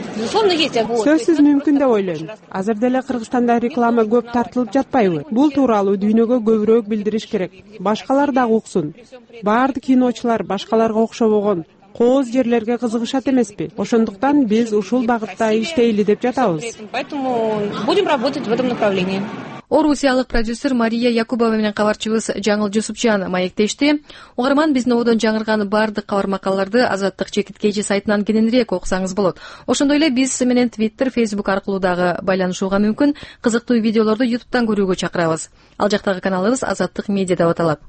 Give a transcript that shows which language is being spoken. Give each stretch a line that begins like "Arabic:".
Kyrgyz: Сөзсүз мүмкүн деп ойлойм. Азыр деле Кыргызстанда реклама көп тартылып жатпайбы? Бул тууралуу дүйнөгө көбүрөөк билдириш керек. Башкалар дагы уксун. Баардык киночулар башкаларга окшобогон кооз жерлерге кызыгышат эмеспи? Ошондуктан биз ушул багытта иштейли деп жатабыз.
Russian: Поэтому будем работать в этом направлении.
Kyrgyz: Орусиялык продюсер Мария Якубова менен кабарчыбыз Жаңыл Жусупчан маектешти. Угарман, биздин одон жаңырган баардык кабар макалаларды Азаттык Чекитке сайтынан кененирээк окусаңыз болот. Ошондой эле биз менен Twitter, Facebook аркылуу дагы байланышууга мүмкүн. Кызыктуу видеолорду YouTube'тан көрүүгө чакырабыз. Ал жактагы каналыбыз Азаттык Медиа деп аталат.